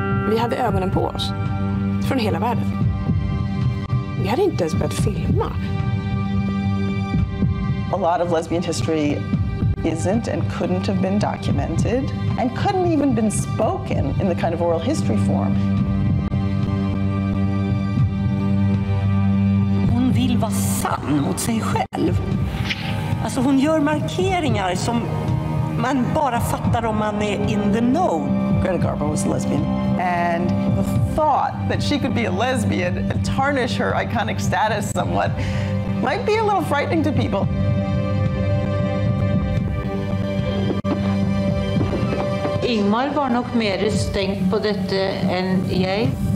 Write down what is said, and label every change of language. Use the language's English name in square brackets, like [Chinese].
[Swedish] Vi hade ögonen på oss, från hela världen. Vi hade inte ens börjat filma. [English] A lot of lesbian history isn't and couldn't have been documented and couldn't even been spoken in the kind of oral history form. [Swedish] Hon vill vara sann mot sig själv. Alltså hon gör markeringar som man bara fattar om man är [English] in the know. Greta Garbo was a lesbian, and the thought that she could be a lesbian and tarnish her iconic status somewhat might be a little frightening to people. [Swedish] Ingmar var nog mer stängt på detta än jag.